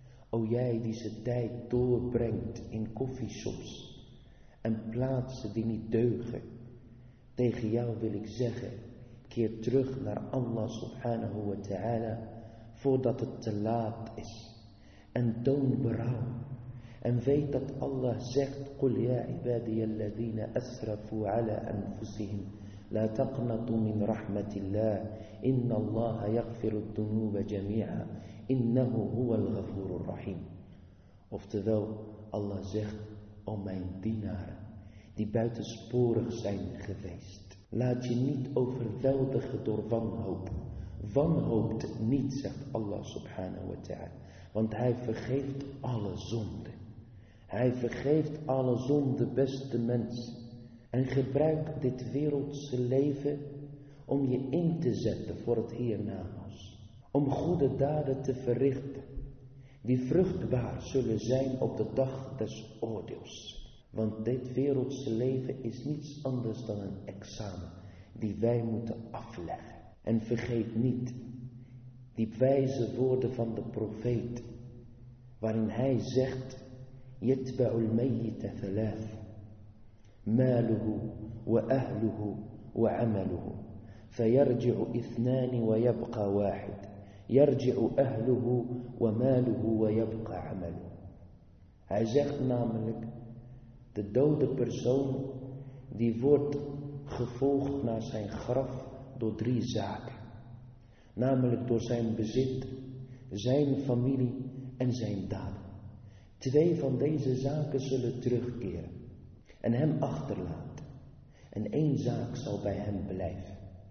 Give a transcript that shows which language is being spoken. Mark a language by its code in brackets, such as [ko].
[nl] O jij die zijn tijd doorbrengt in koffieshops en plaatsen die niet deugen. Tegen jou wil ik zeggen, keer terug naar Allah subhanahu wa ta'ala voordat het te laat is. En toon berouw. En weet dat Allah zegt, [ar] قُلْ يَا عِبَادِيَ الَّذِينَ أَسْرَفُوا عَلَىٰ أَنفُسِهِمْ لَا تَقْنَطُوا مِنْ رَحْمَةِ اللَّهِ إِنَّ اللَّهَ يَغْفِرُ الذُّنُوبَ جَمِيعًا إِنَّهُ هُوَ الْغَفُورُ الرَّحِيمُ. [nl] Oftewel, Allah zegt, o mijn dienaren die buitensporig zijn geweest, laat je niet overweldigen door wanhoop, Wanhoopt niet, zegt Allah subhanahu wa ta'ala. Want hij vergeeft alle zonden. Hij vergeeft alle zonden, beste mens. En gebruik dit wereldse leven om je in te zetten voor het hiernamaals. Om goede daden te verrichten. Die vruchtbaar zullen zijn op de dag des oordeels. Want dit wereldse leven is niets anders dan een examen die wij moeten afleggen. En vergeet niet die wijze woorden van de profeet, waarin hij zegt: [ar] يتبع الميت ثلاث ماله وأهله وعمله فيرجع اثنان ويبقى واحد يرجع أهله وماله ويبقى عمله. [nl] Hij zegt namelijk: de dode persoon die wordt gevolgd naar zijn graf door drie zaken, namelijk door zijn bezit, zijn familie en zijn daden. Twee van deze zaken zullen terugkeren en hem achterlaten, en één zaak zal bij hem blijven.